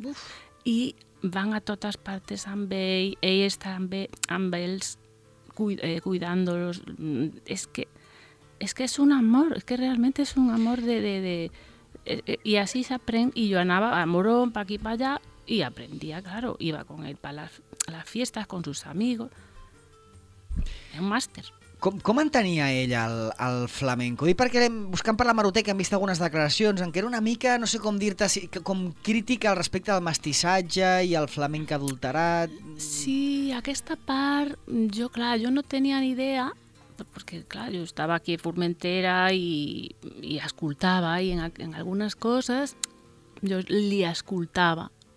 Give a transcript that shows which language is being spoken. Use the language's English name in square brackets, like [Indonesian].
[Catalan] Uf. I van a totes partes amb ell, ell està amb ells cuidant-los. És que és un amor, és que realment és un amor de i així s'aprèn i jo anava a Morón, pa aquí, pa allà. [Spanish] Y aprendía, claro, iba con él para las fiestas, con sus amigos. Era un máster. [Catalan] Com entenia ell el flamenco? I perquè buscant per la Maroteca hem vist algunes declaracions en què era una mica, no sé com dir-te, com crítica al respecte del mestissatge i el flamenc adulterat. Sí, aquesta part, jo, clar, jo no tenia ni idea, perquè, clar, jo estava aquí a Formentera i escoltava, i en algunes coses jo li escoltava.